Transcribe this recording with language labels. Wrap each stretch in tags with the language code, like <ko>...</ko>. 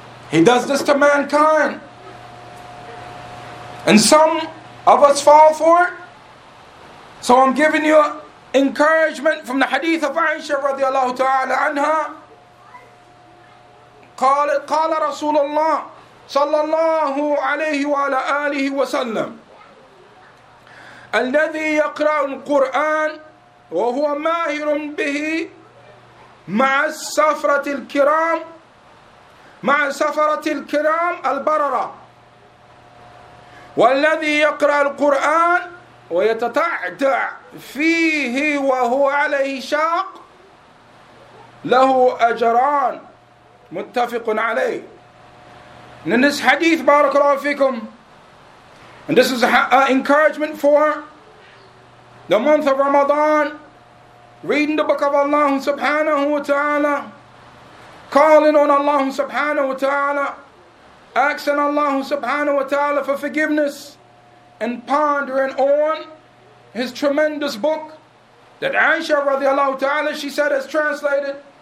<en>He does this to mankind. And some of us fall for it. So I'm giving you encouragement from the hadith of Aisha radiallahu ta'ala anha.</en> <ar>قال رسول الله صلى الله عليه وعلى آله وسلم الذي يقرأ القرآن وهو ماهر به مع السفرة الكرام مع سفرة الكرام البررة والذي يقرأ القرآن ويتتعدع فيه وهو عليه شاق له أجران. Muttafiqun alayh.</ar> <en>And in this hadith, barakallahu fikum, and this is encouragement for the month of Ramadan, reading the book of Allah subhanahu wa ta'ala, calling on Allah subhanahu wa ta'ala, asking Allah subhanahu wa ta'ala for forgiveness, and pondering on his tremendous book that Aisha radiallahu ta'ala, she said, has translated.</en>